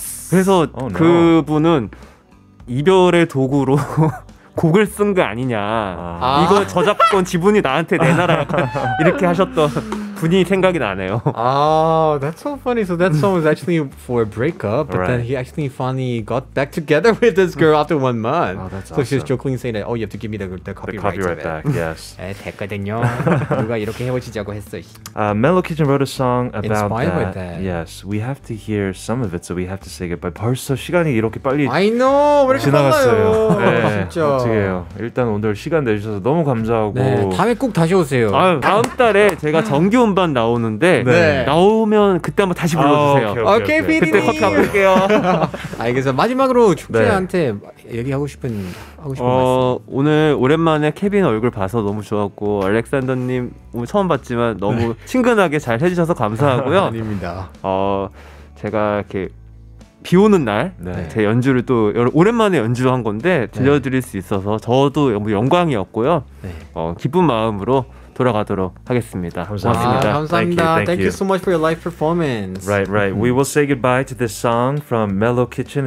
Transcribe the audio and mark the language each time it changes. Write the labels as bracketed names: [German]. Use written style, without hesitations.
[Korean] 그래서 그분은 이별의 도구로 곡을 쓴 거 아니냐. 이거 저작권 지분이 나한테 내놔라. 이렇게 하셨던 분이 생각이 나네요. [English] That's so funny. So that song was actually for a breakup, but right. then he actually finally got back together with this girl after 1 month. Oh, that's so awesome. She's jokingly saying that, oh, you have to give me the copyright back. Yes. [Korean] 됐거든요. 누가 이렇게 헤어지자고 했어요. [English] Mellow Kitchen wrote a song about inspired By that. Yes, we have to hear some of it, so we have to say goodbye. [Korean] 벌써 시간이 이렇게 빨리 [English] I know. [Korean] 왜 이렇게 지나갔어요. 빨라요. 네, 진짜. 어떡해요. 일단 오늘 시간 내주셔서 너무 감사하고. 네, 다음에 꼭 다시 오세요. 다음 달에 제가 정규 음반 나오는데 네. 나오면 그때 한번 다시 불러주세요. 오케이, 피디님. 그때 커피 가볼게요. 알겠어요. 마지막으로 축제한테 네. 얘기하고 싶은 말씀. 오늘 오랜만에 케빈 얼굴 봐서 너무 좋았고 알렉산더님 오늘 처음 봤지만 너무 네. 친근하게 잘 해주셔서 감사하고요. 아닙니다. 제가 이렇게 비 오는 날 네. 제 연주를 또 오랜만에 연주한 건데 들려드릴 네. 수 있어서 저도 너무 영광이었고요. 네. 기쁜 마음으로 돌아가도록 하겠습니다. 고맙습니다. 감사합니다. [English] Thank you so much for your live performance. Right, right. We will say goodbye to this song from Mellow Kitchen.